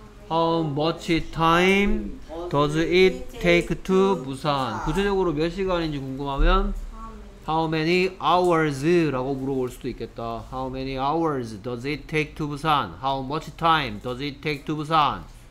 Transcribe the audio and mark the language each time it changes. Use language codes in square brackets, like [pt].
[en] How much time does it take to Busan? [ko] 구체적으로 몇 시간인지 궁금하면 [en] How many hours? [ko] 라고 물어볼 수도 있겠다. [en] How many hours does it take to Busan? How much time does it take to Busan?